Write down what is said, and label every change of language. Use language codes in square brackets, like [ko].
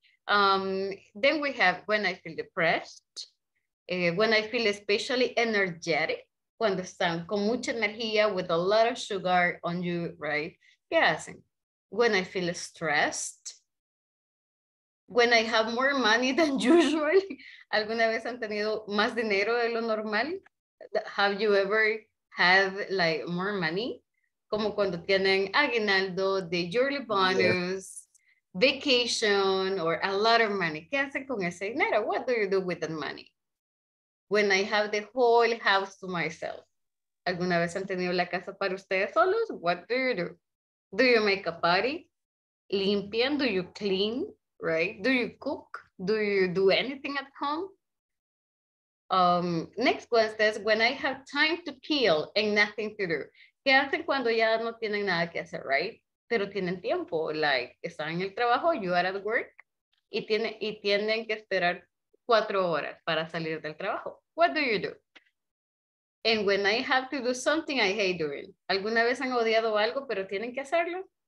[en] Then we have when I feel depressed, when I feel especially energetic, [es] cuando están con mucha energía, [en] with a lot of sugar on you, right? [es] ¿Qué hacen? [en] When I feel stressed, when I have more money than usual. [es] ¿Alguna vez han tenido más dinero de lo normal? [en] Have you ever had like more money? [es] Como cuando tienen aguinaldo, [en] the yearly bonus, yeah, vacation, or a lot of money. [es] ¿Qué hacen con ese dinero? [en] What do you do with that money? When I have the whole house to myself. [es] ¿Alguna vez han tenido la casa para ustedes solos? [en] What do you do? Do you make a party? [es] ¿Limpian? [en] Do you clean? Right? Do you cook? Do you do anything at home? Next question is when I have time to kill and nothing to do. [es] ¿Qué hacen cuando ya no tienen nada que hacer, right? Pero tienen tiempo, like están en el trabajo, [en] you are at work, [es] y tienen que esperar 4 horas para salir del trabajo. [en] What do you do? And when I have to do something I hate doing. [es] ¿Alguna vez han odiado algo pero tienen que hacerlo?